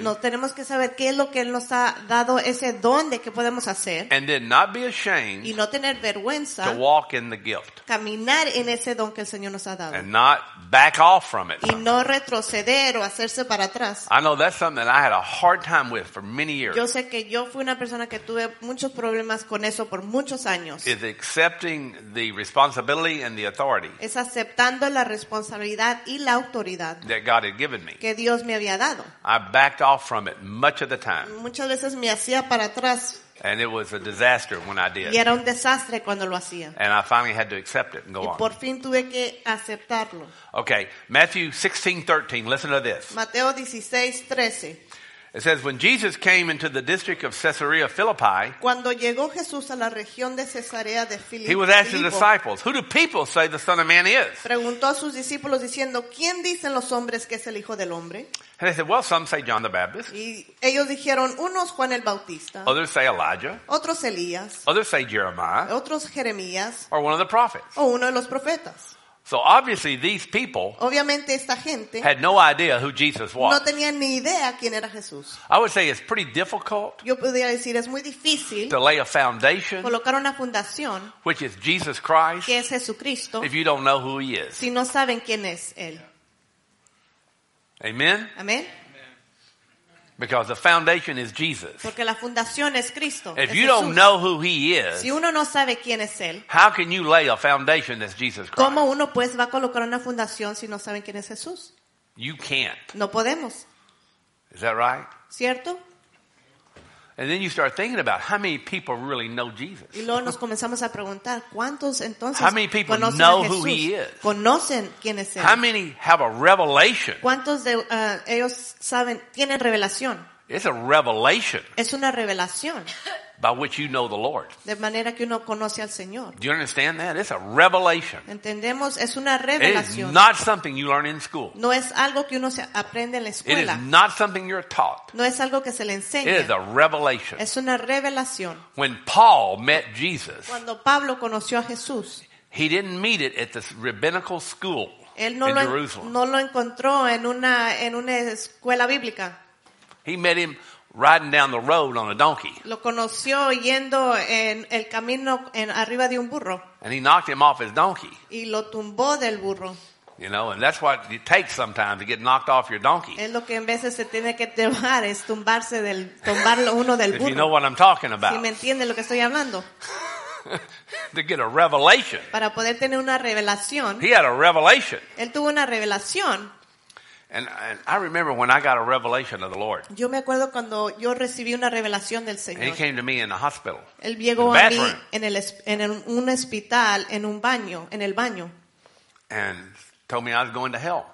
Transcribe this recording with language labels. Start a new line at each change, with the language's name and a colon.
Spanish: No tenemos que saber qué es lo que Él nos ha dado ese don de que podemos hacer.
English: And then not be ashamed.
Spanish: Y no tener vergüenza.
English: To walk in the gift.
Spanish: Caminar en ese don que el Señor nos ha dado.
English: And not back off from it.
Spanish: Y no retroceder o hacerse para atrás.
English: I know that's something that I had a hard time with for many years.
Spanish: Yo sé que yo fui una persona que tuve muchos problemas con eso por muchos años.
English: Is accepting the responsibility and the authority.
Spanish: Es aceptando la responsabilidad y la autoridad.
English: That God had given me.
Spanish: Que Dios me había dado.
English: I backed off from it much of the time.
Spanish: Muchas veces me hacía para atrás.
English: And it was a disaster when I did.
Spanish: Y era un desastre cuando lo hacía.
English: And I finally had to accept it and go on.
Spanish: Y por fin tuve que aceptarlo.
English: Okay, Matthew 16:13. Listen to this.
Spanish: Mateo 16:13.
English: It says, when Jesus came into the district of Caesarea Philippi,
Spanish: cuando llegó Jesús a la región de Cesarea de Filipo,
English: he was asking the disciples, who do people say the Son of Man is?
Spanish: Preguntó a sus discípulos diciendo, ¿quién dicen los hombres que es el Hijo del Hombre?
English: And they said, well, some say John the Baptist.
Spanish: Y ellos dijeron, unos Juan el Bautista.
English: Others say Elijah.
Spanish: Otros Elías.
English: Others say Jeremiah.
Spanish: Otros Jeremías.
English: Or one of the prophets.
Spanish: O uno de los profetas.
English: So obviously these people
Spanish: obviamente esta gente
English: had no idea who Jesus was.
Spanish: No tenían ni idea quién era Jesús.
English: I would say it's pretty difficult.
Spanish: Yo podría decir es muy difícil
English: to lay a foundation,
Spanish: colocar una fundación,
English: which is Jesus Christ,
Spanish: que es Jesucristo,
English: if you don't know who he is.
Spanish: Si no saben quién es él.
English: Amen.
Spanish: Amen.
English: Because the foundation is Jesus.
Spanish: Porque la fundación es Cristo.
English: If
Spanish: es
English: you
Spanish: Jesús.
English: Don't know who he is,
Spanish: si uno no sabe quién es él,
English: how can you lay a foundation that's Jesus Christ?
Spanish: ¿Cómo uno pues va a colocar una fundación si no saben quién es Jesús?
English: You can't.
Spanish: No podemos.
English: Is that right?
Spanish: ¿Cierto?
English: And then you start thinking about how many people really know Jesus.
Spanish: Y luego nos comenzamos a preguntar cuántos entonces
English: how many people know who he is?
Spanish: Conocen quién es él.
English: How many have a revelation?
Spanish: ¿Cuántos de ellos saben tienen revelación?
English: It's a revelation.
Spanish: Es una revelación.
English: By which you know the Lord.
Spanish: De manera que uno conoce al Señor.
English: Do you understand that? It's a revelation.
Spanish: Entendemos, es una revelación.
English: It is not something you learn in school.
Spanish: No es algo que uno se aprende en la escuela.
English: It is not something you're taught.
Spanish: No es algo que se le enseña.
English: It is a revelation.
Spanish: Es una revelación.
English: When Paul met Jesus,
Spanish: cuando Pablo conoció a Jesús,
English: he didn't meet it at the rabbinical school
Spanish: él no
English: in
Spanish: lo,
English: Jerusalem.
Spanish: No lo encontró en una escuela bíblica.
English: He met him riding down the road on a donkey.
Spanish: Lo conoció yendo en el camino en arriba de un burro.
English: And he knocked him off his donkey.
Spanish: Y lo tumbó del burro.
English: You know, and that's what it takes sometimes to get knocked off your donkey.
Spanish: Es lo que en veces se tiene que tumbar, es tumbarse del tumbarlo uno del burro.
English: If you know what I'm talking about.
Spanish: Si me entiende lo que estoy hablando.
English: To get a revelation.
Spanish: Para poder tener una revelación.
English: He had a revelation.
Spanish: Él tuvo una revelación.
English: And I remember when I got a revelation of the Lord.
Spanish: Yo me acuerdo cuando yo recibí una revelación del Señor.
English: And he came to me in the hospital.
Spanish: Él llegó a mí en un hospital, en el baño.
English: And told me I was going to hell.